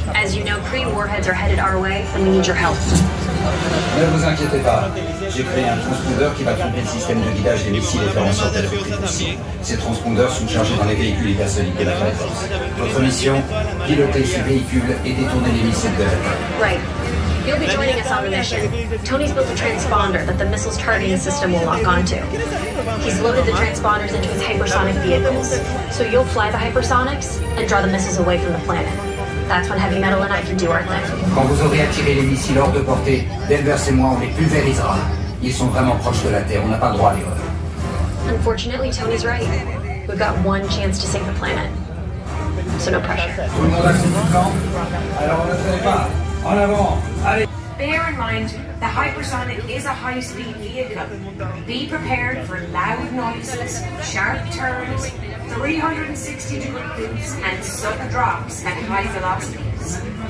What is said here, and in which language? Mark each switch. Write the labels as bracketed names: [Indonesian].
[English] As you know, Kree warheads are headed our way, and we need your help. [French] Ne vous inquiétez pas. J'ai créé un transpondeur qui va tromper le système de guidage des missiles et faire en sorte d'être plus. Ces transpondeurs sont chargés dans les véhicules hypersoniques de la Flight Force. Votre mission, piloter ce véhicule et détourner les missiles de l'attaque. [English] Right. You'll be joining us on the mission. Tony's built a transponder that the missile's targeting system will lock onto. He's loaded the transponders into his hypersonic vehicles. So you'll fly the hypersonics and draw the missiles away from the planet. That's when Heavy Metal and I can do our thing. [French] Quand vous aurez attiré les missiles hors de portée, Denver et moi, on les pulvérisera. Ils sont vraiment proches de la Terre, on n'a pas le droit à l'erreur. [English] Unfortunately, Tony's right. We've got one chance to save the planet. So no pressure. [French] Tout le monde a son plan? Alors ne traînez pas. En avant, allez. [English] Bear in mind, the hypersonic is a high-speed vehicle. Be prepared for loud noises, sharp turns, 360-degree loops, and sudden drops at high velocities.